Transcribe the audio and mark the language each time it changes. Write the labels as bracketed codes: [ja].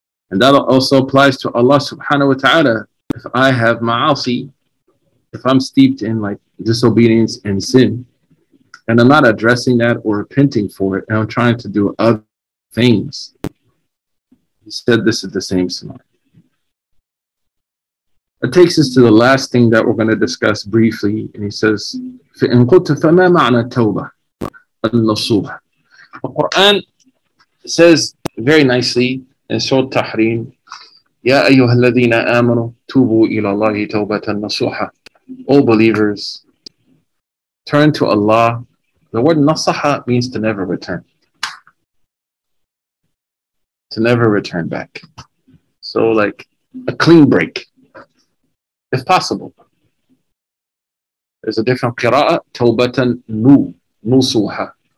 [en] And that also applies to Allah subhanahu wa ta'ala. If I have ma'asi, if I'm steeped in like disobedience and sin, and I'm not addressing that or repenting for it, and I'm trying to do other things, he said this is the same scenario. That takes us to the last thing that we're going to discuss briefly. And he says, [ar] فَإِنْ قُلْتُ فَمَا مَعْنَا تَوْبَةَ النَّصُوحَ. [en] The Quran says very nicely in Surah Tahrim, [ar] يَا أَيُّهَا الَّذِينَ آمَنُوا تُوبُوا إِلَى اللَّهِ تَوْبَةً نَصُوحًا. [en] All believers, turn to Allah. The word nasaha means to never return. To never return back. So like a clean break, if possible. There's a different qira'ah, tawbatan nu, nusuha.